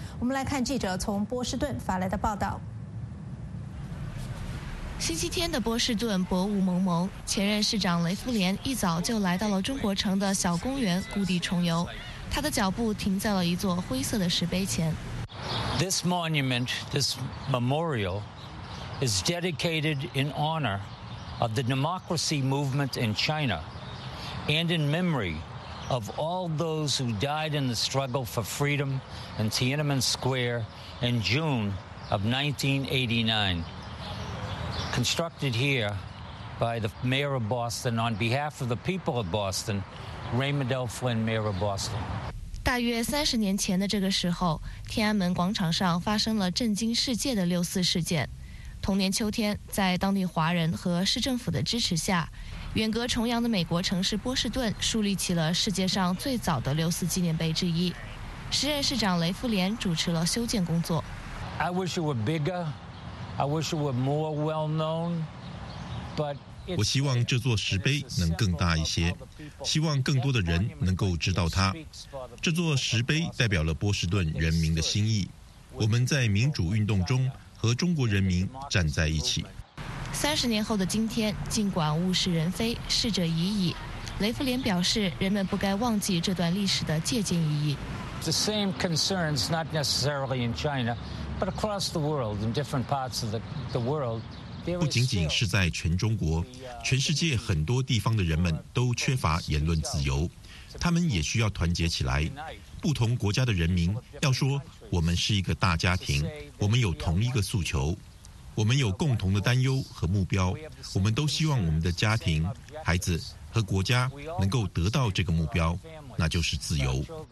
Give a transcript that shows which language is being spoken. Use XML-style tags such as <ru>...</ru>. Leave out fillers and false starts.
<zh>我们来看记者从波士顿发来的报道。星期天的波士顿薄雾蒙蒙，前任市长雷夫莲一早就来到了中国城的小公园故地重游，他的脚步停在了一座灰色的石碑前。</zh> <en>This monument, this memorial is dedicated in honor of the democracy movement in China and in memory of all those who died in the struggle for freedom in Tiananmen Square in June of 1989. Constructed here by the mayor of Boston on behalf of the people of Boston, Raymond L. Flynn, mayor of Boston.</en> <zh>大约30年前的这个时候，天安门广场上发生了震惊世界的六四事件。同年秋天，在当地华人和市政府的支持下，远隔重洋的美国城市波士顿树立起了世界上最早的六四纪念碑之一。时任市长雷夫莲主持了修建工作。</zh> <en>I wish it were bigger.I wish it were more well known, but</en> <zh>我希望这座石碑能更大一些，希望更多的人能够知道它。这座石碑代表了波士顿人民的心意，我们在民主运动中和中国人民站在一起。 30年后的今天，尽管物是人非，逝者已矣，雷夫莲表示，人们不该忘记这段历史的借鉴意义。</zh> <en>The same concerns, not necessarily in China, but across the world, in different parts of the world.</en> <zh>不仅仅是在全中国，全世界很多地方的人们都缺乏言论自由，他们也需要团结起来。不同国家的人民要说，我们是一个大家庭，我们有同一个诉求。我们有共同的担忧和目标，我们都希望我们的家庭、孩子和国家能够得到这个目标，那就是自由。</zh>